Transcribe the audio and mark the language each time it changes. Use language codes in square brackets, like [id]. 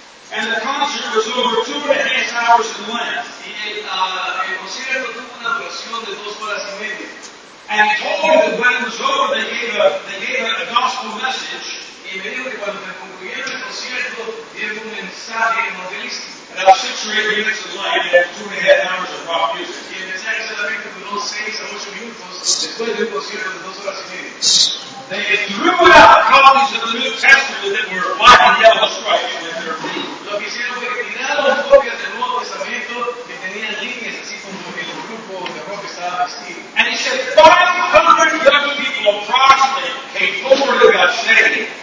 [en] And the concert was over 2.5 hours in length. [es] El concierto tuvo una duración de 2.5 horas. [en] And he told me that when it was over, they gave a gospel message. [es] Y me dijo que cuando concluyeron el concierto, dieron un mensaje evangelístico. [en] About 6 or 8 minutes in length, after 2.5 hours of rock music. [es] Y el mensaje solamente duró 6 a 8 minutos después de un concierto de 2.5 horas. [en] They threw out copies of the New Testament that were black and yellow stripes with their feet. [es] Lo que hicieron fue tirar las copias del Nuevo Testamento que tenían líneas así como el grupo de rock estaba vestido. [en] And he said 500 young people approximately came forward and got saved.